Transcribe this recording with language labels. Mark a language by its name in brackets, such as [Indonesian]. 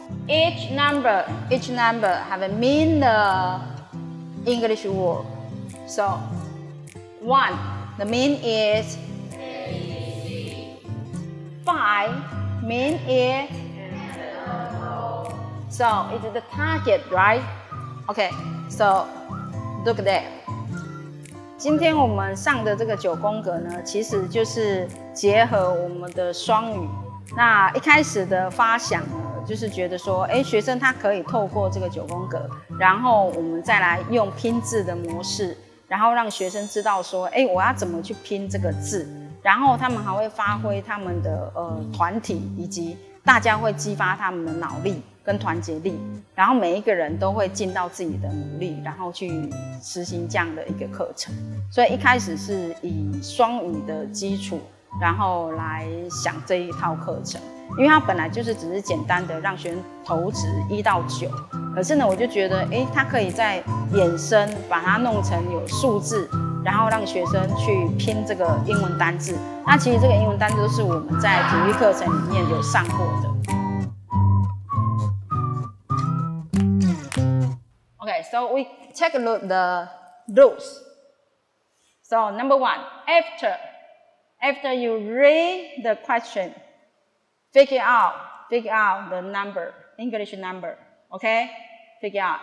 [English] Each number have a mean the English word. So, one, the mean is five, mean is so it's the target, right? Okay, so look at that. [Chinese] 今天我们上的这个九宫格呢，其实就是结合我们的双语。那一开始的发想呢，就是觉得说，哎，学生他可以透过这个九宫格，然后我们再来用拼字的模式，然后让学生知道说，哎，我要怎么去拼这个字，然后他们还会发挥他们的团体，以及大家会激发他们的脑力跟团结力，然后每一个人都会尽到自己的努力，然后去实行这样的一个课程。所以一开始是以双语的基础，然后来想这一套课程，因为它本来就是只是简单的让学生投掷一到九，可是呢，我就觉得，哎，它可以再衍生，把它弄成有数字，然后让学生去拼这个英文单字。那其实这个英文单字都是我们在体育课程里面有上过的。 [English] Okay, so we take a look the rules. So number one, after you read the question, figure out the number, English number, okay? Figure out.